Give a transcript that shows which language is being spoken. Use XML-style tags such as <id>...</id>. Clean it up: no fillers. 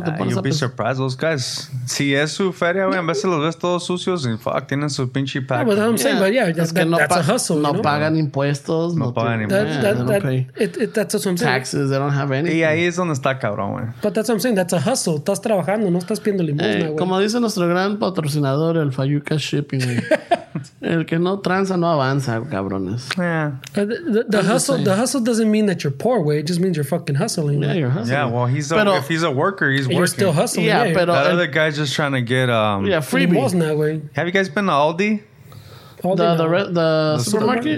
<es>te pones a pensar.</es> <en>You'll be surprised, those guys.</en> <es>Si es su feria, güey, en vez de los ves todos sucios,</es> <en>and fuck,</en> <es>tienen su pinche pack.</es> <en>Yeah, but I'm saying, but yeah, that's a hustle.</en> <es>No,</es> <en>you know?</en> <es>Pagan impuestos. No pagan impuestos.</es> <en>That's what I'm saying. Taxes, they don't have anything.</en> <es>Y ahí es donde está cabrón, güey.</es> <en>But that's what I'm saying, that's a hustle.</en> <es>Estás trabajando, no estás pidiendo limosna, güey. Como dice nuestro gran patrocinador, el Fayuca Shipping, güey.</es> <en>chance.</en> <es>El que no tranza no avanza, cabrones.</es> <en>The hustle doesn't mean that you're poor, way. It just means you're fucking hustling. Yeah, you're hustling. Yeah, well, if he's a worker, he's working. You're still hustling. Yeah, but that other guy's just trying to get freebie. Wasn't that way? Have you guys been to Aldi? The supermarket?</en>